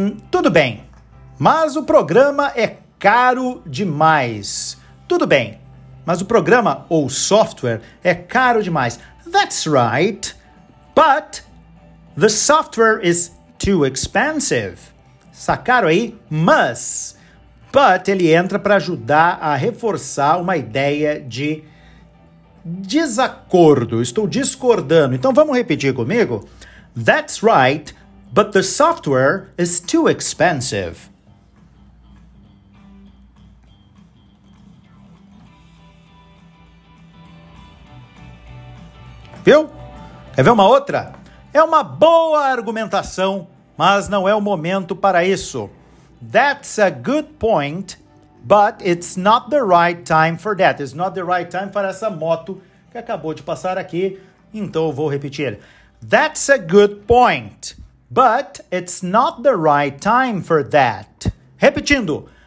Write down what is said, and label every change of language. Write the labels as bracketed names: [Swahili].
[Portuguese] Tudo bem, mas o programa é caro demais. Tudo bem, mas o programa ou software é caro demais. [English] That's right, but the software is too expensive. [Portuguese] Sacaram aí? Mas, but ele entra para ajudar a reforçar uma ideia de desacordo. Estou discordando. Então vamos repetir comigo? [English] That's right, but the software is too expensive. [Portuguese] Viu? Quer ver uma outra? É uma boa argumentação, mas não é o momento para isso. [English] That's a good point, but it's not the right time for that. It's not the right time for essa moto que acabou de passar aqui. [Portuguese] Então eu vou repetir. That's a good point, but it's not the right time for that. Repetindo.